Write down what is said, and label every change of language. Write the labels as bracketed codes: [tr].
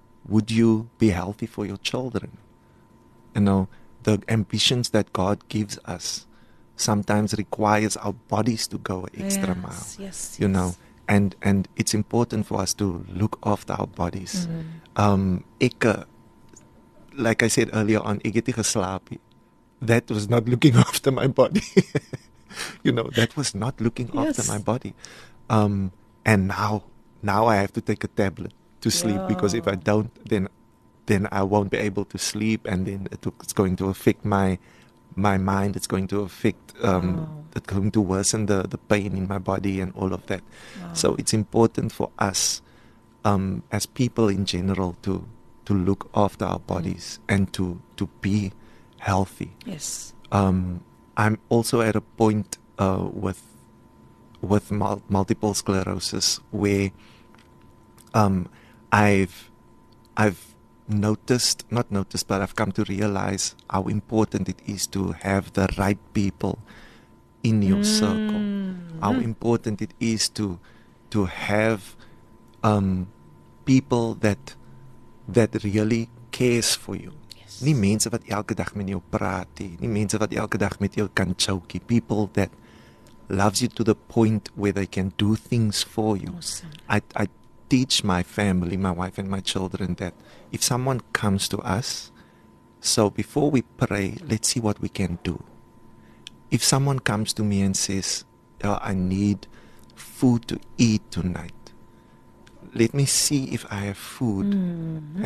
[en] Would you be healthy for your children? You know, the ambitions that God gives us sometimes requires our bodies to go extra mile. Yes, know, and it's important for us to look after our bodies. Like I said earlier on, [af] ek het nie geslaap. [en] That was not looking after my body. You know, that was not looking after my body. And now I have to take a tablet to sleep, because if I don't, then I won't be able to sleep, and then it's going to affect my mind. It's going to affect it's going to worsen the pain in my body and all of that. Wow. So it's important for us as people in general to look after our bodies and to be healthy. Yes. I'm also at a point with multiple sclerosis where I've come to realize how important it is to have the right people in your circle. How important it is to have people that really cares for you. Yes. [af] Nie mense wat elke dag met jou praat nie, nie mense wat elke dag met jou kan chokie. [en] People that loves you to the point where they can do things for you. Awesome. I teach my family, my wife and my children, that if someone comes to us, so before we pray, let's see what we can do. if someone comes to me and says, oh, I need food to eat tonight, let me see if I have food, mm-hmm.